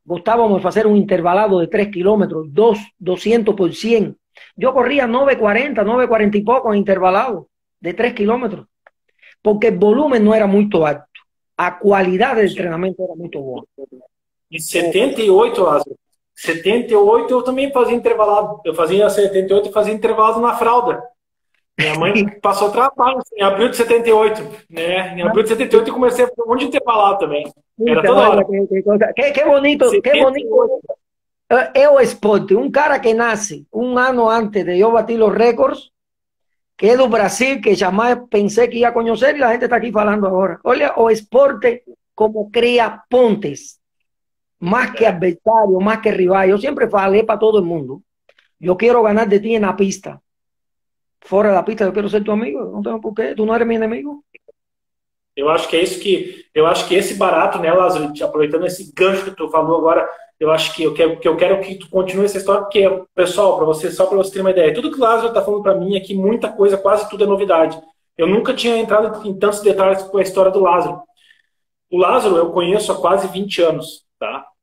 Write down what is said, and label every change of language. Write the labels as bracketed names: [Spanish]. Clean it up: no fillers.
[Spanish] Gustábamos hacer un intervalado de 3 kilómetros, 200 por 100. Yo corría 9.40, 9.40 y poco en intervalado de 3 kilómetros, porque el volumen no era muy alto. A cualidad del entrenamiento era muy bueno. [Portuguese] Em 78, Lázaro. 78 eu também fazia intervalado. Eu fazia 78 e fazia intervalo na fralda. Minha mãe passou trabalho assim, em abril de 78, né? Em abril de 78 eu comecei a fazer um monte de intervalado também. Era toda hora. [Spanish] Qué [Portuguese] 78. [Spanish] bonito es el esporte. Un cara que nace un año antes de yo batir los récords, que es de Brasil, que jamás pensé que iba a conocer, y la gente está aquí hablando ahora. Oye, o esporte como crea pontes, más que adversario, más que rival. Yo siempre falé para todo el mundo: yo quiero ganar de ti en la pista. Fuera de la pista, yo quiero ser tu amigo. No tengo por qué, tú no eres mi enemigo. [Portuguese] Eu acho que esse barato, né, Lázaro, aproveitando esse gancho que tu falou agora, eu acho que eu quero que tu continue essa história, porque, pessoal, só para você ter uma ideia, tudo que o Lázaro está falando para mim aqui, muita coisa, quase tudo é novidade. Eu nunca tinha entrado em tantos detalhes com a história do Lázaro. O Lázaro eu conheço há quase 20 anos, tá?